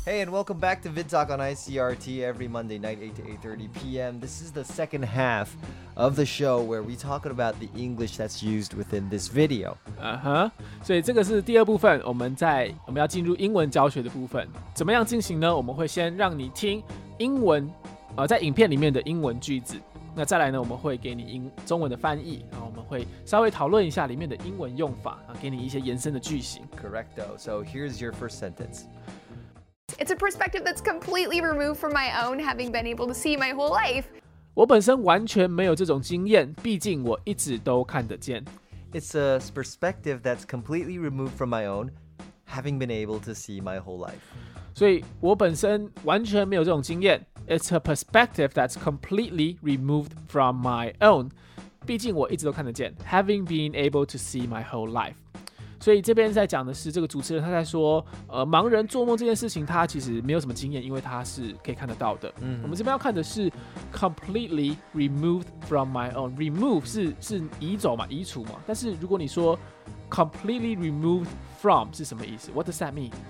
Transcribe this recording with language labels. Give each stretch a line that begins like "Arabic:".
English: Welcome back to VidTalk on ICRT every Monday night, 8 to 8:30 p.m. This is the second half of the show where we talk about the English that's used within this video. Uh-huh.
Chinese: 所以这个是第二部分，我们要进入英文教学的部分。怎么样进行呢？我们会先让你听英文，在影片里面的英文句子。那再来呢，我们会给你中文的翻译。我们会稍微讨论一下里面的英文用法，给你一些延伸的句型。
English: Correct, though. So here's your first sentence. It's a perspective that's completely removed from my own, having been able to see my whole life.
Chinese: 我本身完全没有这种经验，毕竟我一直都看得见。
English: It's a perspective that's completely removed from my own, having been able to see my whole life.
Chinese: 所以我本身完全没有这种经验。
English: It's a perspective that's completely removed from my own,
Chinese: 毕竟我一直都看得见。
English: Having been able to see my whole life.
Chinese: 所以这边在讲的是这个主持人他在说盲人做梦这件事情他其实没有什么经验，因为他是可以看得到的。我们这边要看的是
English: completely removed from my own.
Chinese: Remove 是移走嘛，移除嘛。但是如果你说 completely removed from 是什么意思？
English: What does that mean?